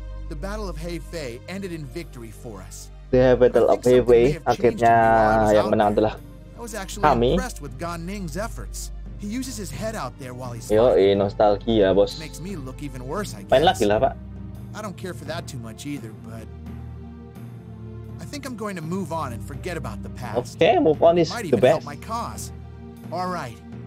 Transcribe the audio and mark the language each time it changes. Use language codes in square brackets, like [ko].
[en] The Battle of Heifei ended in victory for us. [id] The Battle of Heifei akhirnya yang menang adalah kami. [en] With Ganning's efforts. He uses his head out there while he's. [id] Yo, nostalgia, Bos. Main lagi lah, Pak. [en] I don't care for that too much either, but I think I'm going to move on and forget about the past. Okay, move on is the best. All right.